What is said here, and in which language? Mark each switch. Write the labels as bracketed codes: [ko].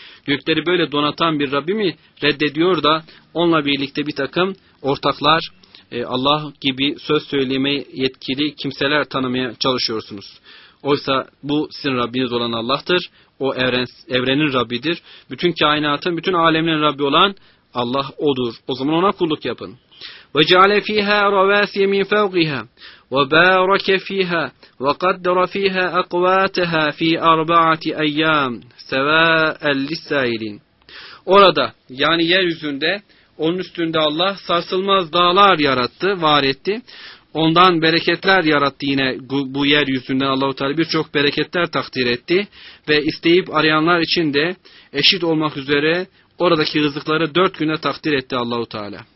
[tr] Gökleri böyle donatan bir Rabbi mi reddediyor da onunla birlikte bir takım ortaklar, Allah gibi söz söyleme yetkili kimseler tanımaya çalışıyorsunuz. Oysa bu sizin Rabbiniz olan Allah'tır. O evrenin Rabbidir. Bütün kainatın, bütün alemlerin Rabbi olan Allah odur. O zaman ona kulluk yapın. [ar] Ve ceale fîhâ revâsiye min fevgihâ. وبارك فيها وقدر فيها أقواتها في أربعة أيام سواء للسائلين. [tr] Orada yani yeryüzünde onun üstünde Allah sarsılmaz dağlar yarattı, var etti. Ondan bereketler yarattı yine bu yeryüzünde Allah-u Teala birçok bereketler takdir etti. Ve isteyip arayanlar için de eşit olmak üzere oradaki rızıkları 4 günde takdir etti Allah-u Teala.